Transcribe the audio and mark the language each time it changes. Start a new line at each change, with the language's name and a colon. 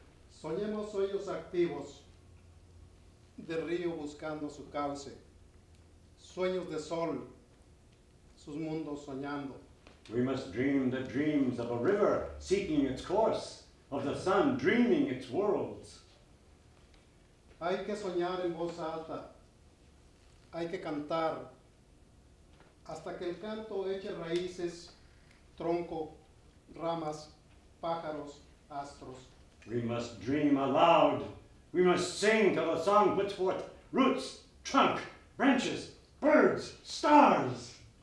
Spanish: Soñemos sueños activos de río buscando su cauce. Sueños de sol, sus mundos soñando.
English: We must dream the dreams of a river seeking its course, of the sun dreaming its worlds.
Spanish: Hay que soñar en voz alta. Hay que cantar hasta que el canto eche raíces, tronco, ramas, pájaros, astros.
English: We must dream aloud. We must sing till the song puts forth roots, trunk, branches, birds, stars.